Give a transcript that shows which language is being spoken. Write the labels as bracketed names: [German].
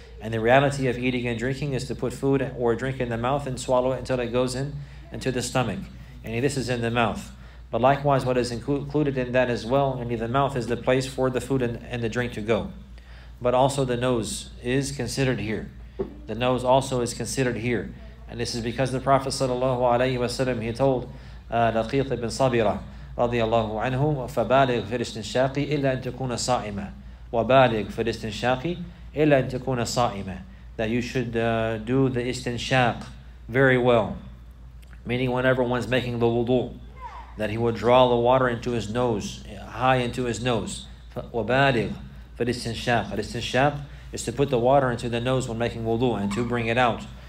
[English] And the reality of eating and drinking is to put food or drink in the mouth and swallow it until it goes into the stomach. And this is in the mouth. But likewise, what is included in that as well, and the mouth is the place for the food and the drink to go. But also the nose is considered here. The nose also is considered here. And this is because the Prophet sallallahu alaihi wasallam, he told [Arabic] لقيط بن صبرة رضي الله عنه فبالغ في الاستنشاق إلا أن تكون صائمة وبالغ في الاستنشاق إلا أن تكون صائمة. [English] That you should do the istinshaq very well, meaning whenever one's making the wudu, that he would draw the water into his nose, high into his nose. [Arabic] وبالغ في الاستنشاق. [English] الاستنشاق is to put the water into the nose when making wudu and to bring it out.